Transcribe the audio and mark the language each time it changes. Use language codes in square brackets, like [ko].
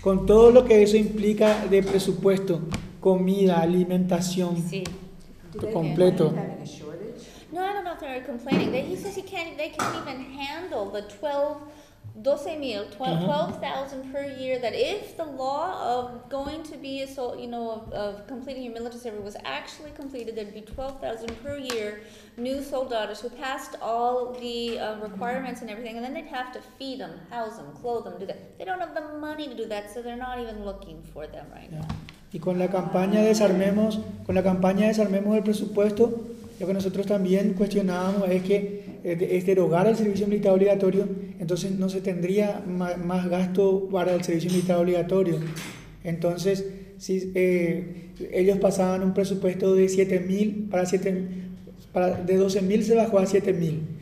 [es] Con todo lo que eso implica de presupuesto, comida, alimentación, completo. [en] No, I don't know if they're complaining. He says they can't even handle the 12,000 per year, that if the law of going to be of completing your military service was actually completed, there'd be 12,000 per year new soldados who passed all the requirements and everything, and then they'd have to feed them, house them, clothe them, do that. They don't have the money to do that, so they're not even looking for them right now. [es] Y con la campaña desarmemos el presupuesto, lo que nosotros también cuestionábamos es que es derogar el servicio militar obligatorio, entonces no se tendría más gasto para el servicio militar obligatorio. Entonces, si ellos pasaban un presupuesto de 7.000 para de 12.000 se bajó a 7.000.